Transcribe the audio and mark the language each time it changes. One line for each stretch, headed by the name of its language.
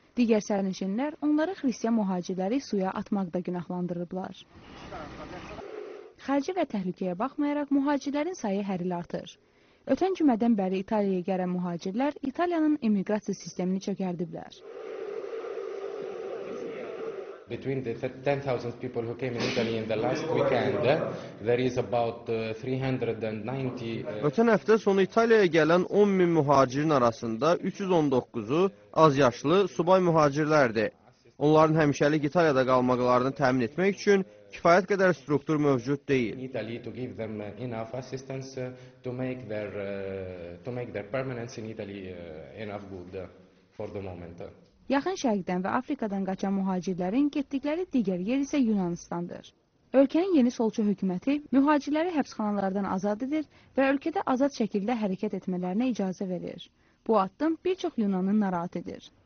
Azerbaijani: Digər sərnişinlər onları xristiyan mühacirləri suya atmaqda günahlandırıblar. Xərci və təhlükəyə baxmayaraq mühacirlərin sayı hər il artır. Ötən cümədən bəri İtaliyaya gələn mühacirlər İtaliyanın immiqrasiya sistemini çökərdiblər.
English: Between the 10,000 people who came in Italy in the last weekend, there is about 390.
Azerbaijani: Ötən həftə sonu İtaliyaya gələn 10,000 mühacirin arasında 319-u az yaşlı subay mühacirlərdir. Onların həmişəlik İtaliyada qalmaqlarını təmin etmək üçün kifayət qədər struktur mövcud deyil.
English: Italy to give them enough assistance to make their permanence in Italy enough good for the moment.
Azerbaijani: Yaxın şərqdən və Afrikadan qaçan mühacirlərin getdikləri digər yer isə Yunanıstandır. Ölkənin yeni solçu hökuməti mühacirləri həbsxanalardan azad edir və ölkədə azad şəkildə hərəkət etmələrinə icazə verir. Bu addım bir çox Yunanı narahat edir.